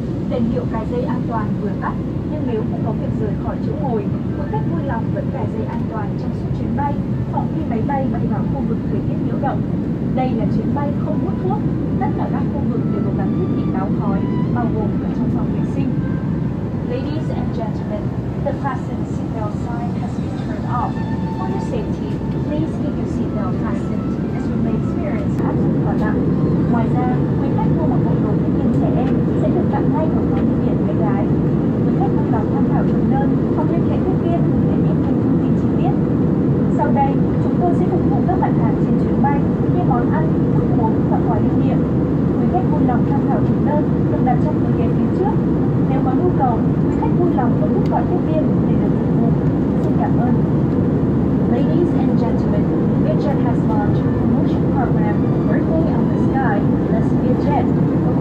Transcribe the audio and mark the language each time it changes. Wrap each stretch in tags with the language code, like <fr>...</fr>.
<vi>Đèn hiệu cài dây an toàn vừa tắt, nhưng nếu không có việc rời khỏi chỗ ngồi, quý khách vui lòng vẫn cài dây an toàn trong suốt chuyến bay, phòng khi máy bay bay vào khu vực thời tiết nhiễu động. Đây là chuyến bay không hút thuốc, tất cả các khu vực đều có gắn thiết bị báo khói, bao gồm cả trong phòng vệ sinh.</vi> <en>Ladies and gentlemen, the fasten seatbelt sign has been turned off. For your safety, please keep your seatbelt fastened as you may experience absolute blackout.</en> <vi>Ngoài ra, quý khách mua một bộ đồ thiết kế trẻ em sẽ được tặng ngay một con đi biển bé gái. Quý khách vui lòng tham khảo thực đơn hoặc liên hệ tiếp viên để biết thêm thông tin chi tiết. Sau đây, chúng tôi sẽ phục vụ các mặt hàng trên chuyến bay như món ăn, thức uống và quà lưu niệm. Quý khách vui lòng tham khảo thực đơn được đặt trong cửa ghế phía trước. Nếu có nhu cầu, quý khách vui lòng bấm nút gọi tiếp viên để được phục vụ. Xin cảm ơn.</vi> <en>Ladies and gentlemen, VietJet has launched a promotion program, Birthday of the Sky, Let's VietJet.</en>